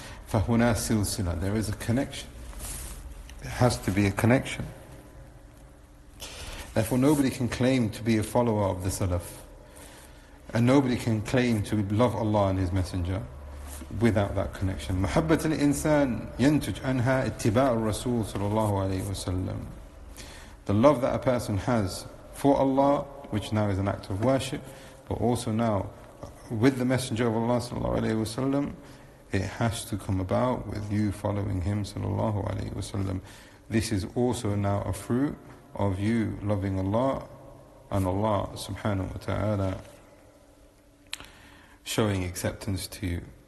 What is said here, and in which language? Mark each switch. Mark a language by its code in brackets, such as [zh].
[ar] فَهُنَا سِلْسِلَة. [en] There is a connection. There has to be a connection. Therefore, nobody can claim to be a follower of the Salaf, and nobody can claim to love Allah and His Messenger without that connection. [ar] محبت الإنسان ينتج عنها اتباع الرسول صلى الله عليه وسلم. [en] The love that a person has for Allah, which now is an act of worship, but also now with the Messenger of Allah صلى الله عليه وسلم, it has to come about with you following him صلى الله عليه وسلم. This is also now a fruit of you loving Allah and Allah subhanahu wa ta'ala showing acceptance to you.